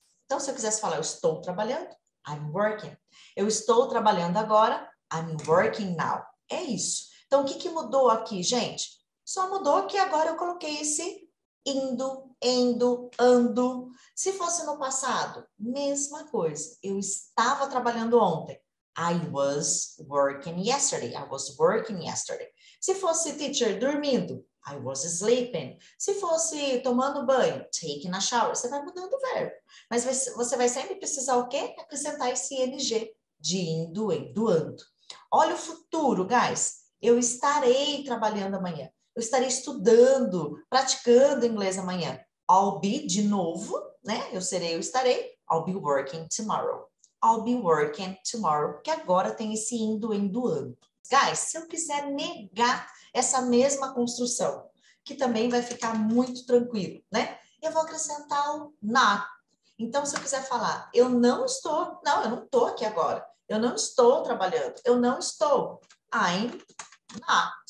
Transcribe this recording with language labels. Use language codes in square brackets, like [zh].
[pt] Então, se eu quisesse falar, eu estou trabalhando, [en] I'm working. [pt] Eu estou trabalhando agora, [en] I'm working now. [pt] É isso. Então, o que que mudou aqui, gente? Só mudou que agora eu coloquei esse indo, indo, ando. Se fosse no passado, mesma coisa. Eu estava trabalhando ontem. [en] I was working yesterday. I was working yesterday. [pt] Se fosse teacher dormindo, [en] I was sleeping. [pt] Se fosse tomando banho, [en] taking a shower, [pt] você vai mudando o verbo. Mas você vai sempre precisar o quê? Acrescentar esse ing de indo, indoando. Olha o futuro, guys. Eu estarei trabalhando amanhã. Eu estarei estudando, praticando inglês amanhã. [en] I'll be [pt] de novo, né? Eu serei, eu estarei. [en] I'll be working tomorrow. I'll be working tomorrow. [pt] Que agora tem esse indo, indoando. Guys, se eu quiser negar essa mesma construção, que também vai ficar muito tranquilo, né? Eu vou acrescentar o na. Então, se eu quiser falar, eu não estou, não, eu não estou aqui agora. Eu não estou trabalhando. Eu não estou. [en] I'm not.